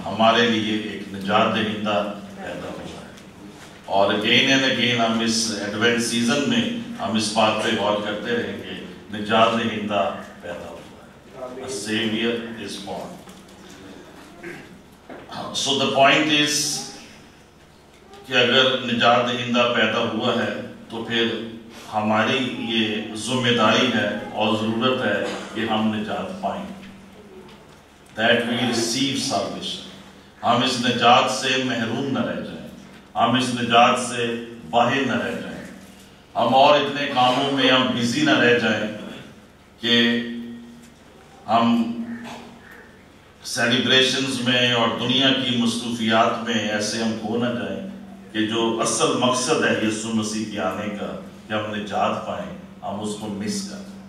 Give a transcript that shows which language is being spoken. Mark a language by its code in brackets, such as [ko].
[hi] हमारे लिए एक निजात दहिंदा पैदा हुआ है और [en] again and again [hi] हम इस एडवेंट सीजन में हम इस बात पे गौर करते रहेंगे निजात दहिंदा पैदा हुआ [en] A savior is born. So the point is [hi] कि अगर निजात दहिंदा पैदा हुआ है तो फिर हमारी ये जिम्मेदारी है और जरूरत है कि हम निजात पाएं. [en] That we receive salvation. [hi] हम इस निजात से महरूम न रह जाएं. हम इस निजात से बाहर न रह जाएं. हम और इतने कामों में हम बिजी न रह जाएं कि हम सेलिब्रेशंस में और दुनिया की मसरूफियात में ऐसे हम खो न जाएं कि जो असल मकसद है यीशु मसीह के आने का कि हम निजात पाएं हम उसको मिस कर